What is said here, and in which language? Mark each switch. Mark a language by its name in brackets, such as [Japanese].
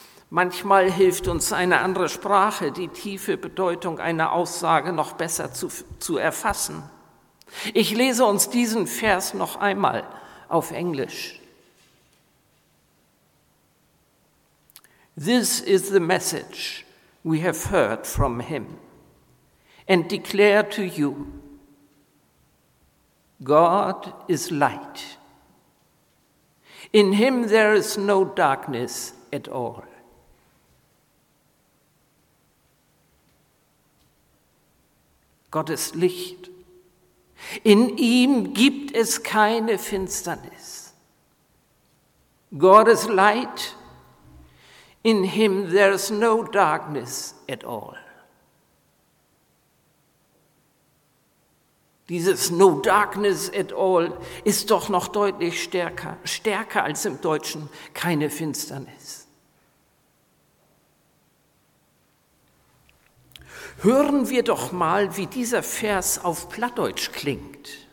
[German] Manchmal hilft uns eine andere Sprache, die tiefe Bedeutung einer Aussage noch besser zu erfassen. Ich lese uns diesen Vers noch einmal. Auf Englisch. [English] This is the message we have heard from him and declare to you. God is light. In him there is no darkness at all. [German] Gott ist Licht. In ihm gibt es keine Finsternis. [English] God is light. In him there is no darkness at all. [German] Dieses [English] no darkness at all [German] ist doch noch deutlich stärker als im Deutschen keine Finsternis. Hören wir doch mal, wie dieser Vers auf Plattdeutsch klingt.